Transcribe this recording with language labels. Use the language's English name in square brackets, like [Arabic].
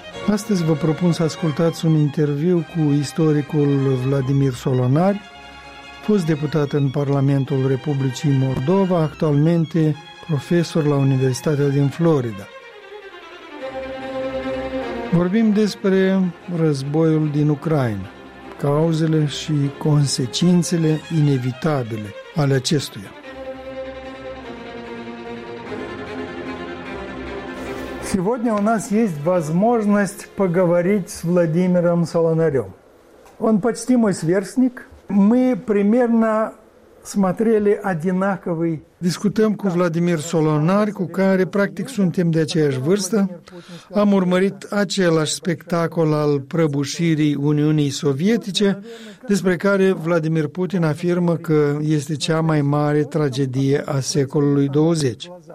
[Romanian] Astăzi vă propun să ascultați un interviu cu istoricul Vladimir Solonari, fost deputat în Parlamentul Republicii Moldova, actualmente profesor la Universitatea din Florida. Vorbim despre războiul din Ucraina, cauzele și consecințele inevitabile ale acestuia. [Russian] Сегодня у нас есть возможность поговорить с Владимиром Солонарем. Он почти мой сверстник. Мы примерно смотрели одинаковый... [Romanian] Discutăm cu Vladimir Solonar, cu care practic suntem de aceeași vârstă. Am urmărit același spectacol al prăbușirii Uniunii Sovietice, despre care Vladimir Putin afirmă că este cea mai mare tragedie a secolului 20.